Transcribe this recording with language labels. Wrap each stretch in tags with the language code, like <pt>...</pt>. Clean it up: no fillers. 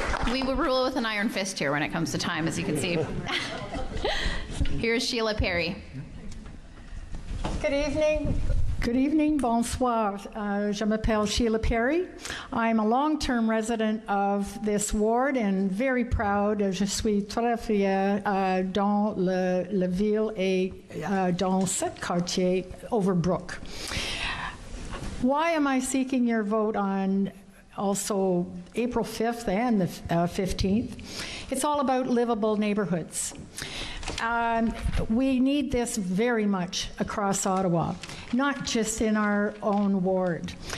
<en>We rule with an iron fist here when it comes to time, as you can see. Here's Sheila Perry. Good evening. Good evening,</en> <fr>bonsoir. Je m'appelle</fr> <en>Sheila Perry. I'm a long-term resident of this ward and very proud.</en> <fr>Je suis très fière dans la ville et dans cet quartier Overbrook.</fr> <en>Why am I seeking your vote on also April 5th and the 15th? It's all about livable neighborhoods. We need this very much across Ottawa, not just in our own ward.</en>